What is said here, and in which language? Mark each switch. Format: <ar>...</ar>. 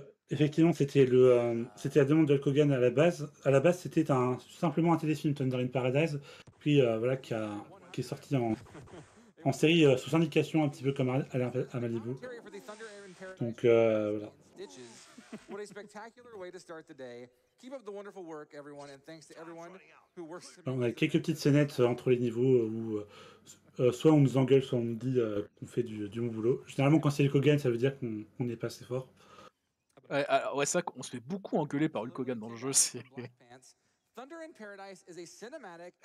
<fr>Effectivement, c'était la demande de Hulk Hogan à la base. À la base, c'était simplement un téléfilm, Thunder in Paradise, puis voilà, qui est sorti en série sous syndication, un petit peu comme à Malibu. Donc, voilà.</fr> <en>What a spectacular way to start the day. Keep up the wonderful work, everyone, and thanks to everyone who works.</en> <fr>On a quelques petites scénettes entre les niveaux où soit on nous engueule, soit on nous dit qu'on fait du bon boulot. Généralement, quand c'est Hulk Hogan, ça veut dire qu'on n'est pas assez fort. Ouais, ça, on se fait beaucoup engueuler par Hulk Hogan dans le jeu.</fr> <en>Thunder in Paradise is a cinematic.</en>